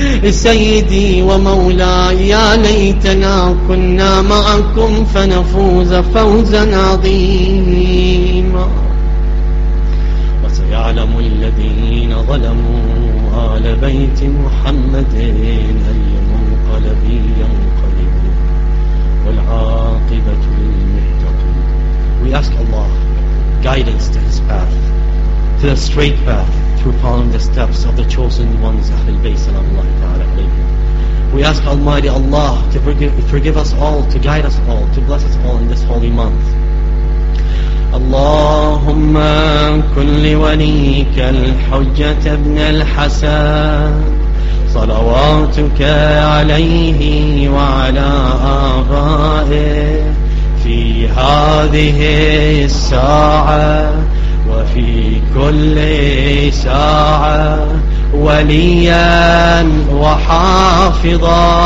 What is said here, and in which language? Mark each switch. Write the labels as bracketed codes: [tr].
[ar] سيدي ومولاي, يا ليتنا كنا معكم فنفوز فوزا عظيما. وسيعلم الذين ظلموا آل بيت محمد أي منقلب ينقلبون والعاقبة للمتقين. [en] We ask Allah guidance to his path, to the straight path, through following the steps of the chosen ones, Ahlul Bayt, sallallahu ta'ala alayhi. We ask Almighty Allah to forgive us all, to guide us all, to bless us all in this holy month. [ar] Allahumma kulli waliyika al-hujjat ibn al-hasan salawatuka alayhi wa ala abaihi fi hadhihi as-sa'a وفي كل ساعة وليا وحافظا